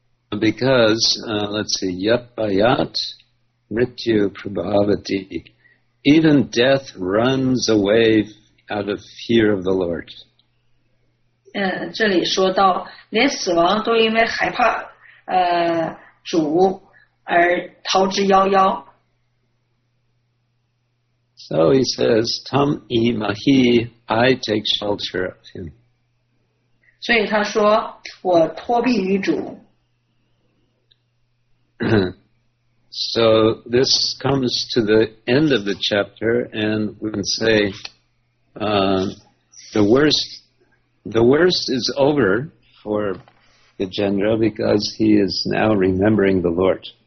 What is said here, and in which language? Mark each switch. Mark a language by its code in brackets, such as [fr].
[en] Because, let's see, [sa] Yapayat Mrityu Prabhavati, [en] even death runs away out of fear of the Lord. [zh] 这里说到，连死亡都因为害怕主而逃之夭夭。 [en] So he says, [sa] Tam I Mahi, [en] I take shelter of him. [zh] 所以他说,我托庇于主。 [en] So this comes to the end of the chapter, and we can say, the worst is over for Gajendra because he is now remembering the Lord.